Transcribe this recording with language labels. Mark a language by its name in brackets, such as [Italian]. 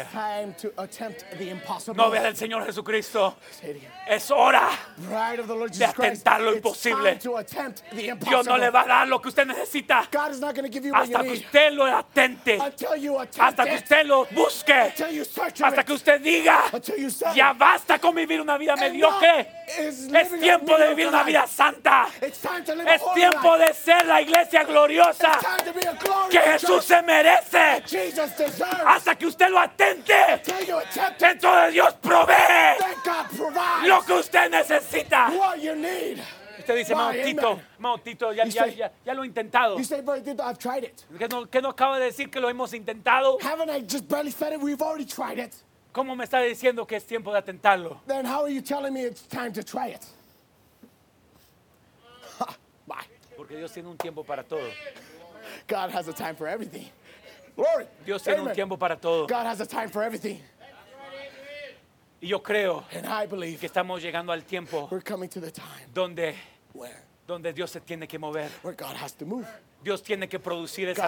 [English] It's time to attempt the impossible. [Spanish] Novia del Señor Jesucristo. [English] Say it again. [Spanish] Es hora. [English] Bride of the Lord Jesus Christ. [Spanish] De atentar lo imposible. [English] It's time to attempt the impossible. [Spanish] Dios no le va a dar lo que usted necesita. [English] God is not going to give you what you need. [Spanish] Hasta que usted lo atente. [English] Until you attempt it. [Spanish] Hasta que usted lo busque. [English] Until you search it. [Spanish] Hasta que usted diga. [English] Until you say. [Spanish] Ya basta con vivir una vida mediocre. Es tiempo de vivir una vida santa. Es tiempo de ser la iglesia gloriosa que Jesús se merece. Hasta que usted lo atente, entonces Dios provee lo que usted necesita. Usted dice, Mao Tito, ya lo he intentado. [English] You say, brother Tito, I've tried it. [Spanish] ¿Qué no acaba de decir que lo hemos intentado? [English] Haven't I just barely said it? We've already tried it. [Spanish] ¿Cómo me está diciendo que es tiempo de atentarlo? [English] Then how are you telling me it's time to try it? [Spanish] Porque Dios tiene un tiempo para todo. [English] God has a time for everything. Glory. [Spanish] Dios tiene [English] Amen. [Spanish] Un tiempo para todo. [English] God has a time for everything. [Spanish] Y yo creo [English] And I believe [Spanish] que estamos llegando al tiempo [English] we're coming to the time [Spanish] donde [English] where? [Spanish] Donde Dios se tiene que mover. [English] Where God has to move. [Spanish] Dios tiene que producir esa